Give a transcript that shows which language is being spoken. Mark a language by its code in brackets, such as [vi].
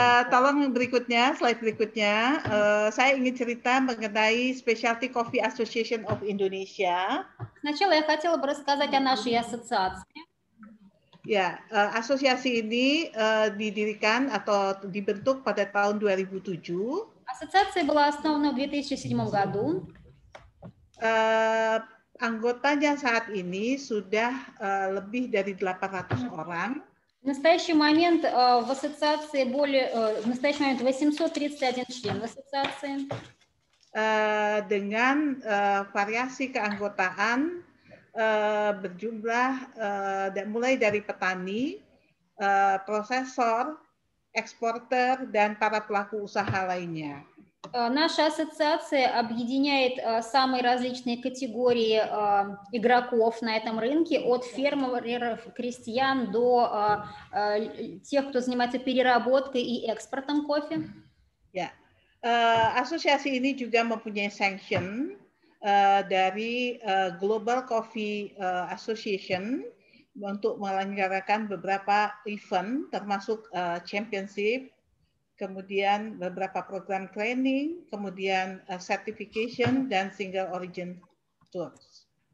[id] Tolong berikutnya, slide berikutnya. Saya ingin cerita mengenai Specialty Coffee Association of Indonesia. [ru] Сначала я хотела бы рассказать о нашей ассоциации. [id] Ya, asosiasi ini didirikan atau dibentuk pada tahun 2007. [ru] Ассоциация была основана в 2007 году. [id] Anggotanya saat ini sudah lebih dari 800 orang. [ru] В настоящий момент в ассоциации более в настоящий момент 831 член в ассоциации. [id] Dengan variasi keanggotaan berjumlah mulai dari petani, prosesor, eksporter dan para pelaku usaha lainnya. [ru] Наша ассоциация объединяет самые различные категории игроков на этом рынке, от фермеров, крестьян до тех, кто занимается переработкой и экспортом кофе. [id] Yeah. Ассоциация ini juga mempunyai sanction dari Global Coffee Association untuk melenggarakan beberapa event, termasuk championship, kemudian beberapa program training, kemudian certification dan single origin tours.